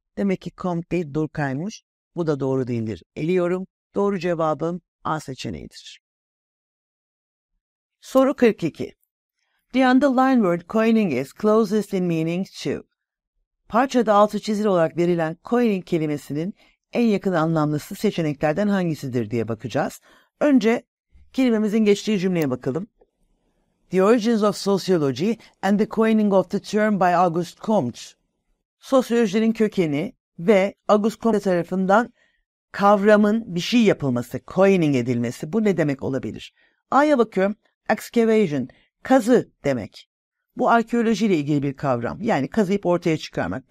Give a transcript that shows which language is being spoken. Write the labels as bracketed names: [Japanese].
[Turkish] Demek ki Comte değil Durkheim'muş. Bu da doğru değildir. Eliyorum. Doğru cevabım A seçeneğidir. Soru 42. [English] The underlined word coining is closest in meaning to. [Turkish] Parçada altı çizili olarak verilen coining kelimesinin en yakın anlamlısı seçeneklerden hangisidir diye bakacağız. Önce kelimemizin geçtiği cümleye bakalım. [English] The origins of sociology and the coining of the term by Auguste Comte. [Turkish] Sosyolojinin kökeni ve Auguste Comte tarafından kavramın bir şey yapılması, coining edilmesi bu ne demek olabilir? A'ya bakıyorum. Excavation, kazı demek. Bu arkeolojiyle ilgili bir kavram. Yani kazıyıp ortaya çıkarmak.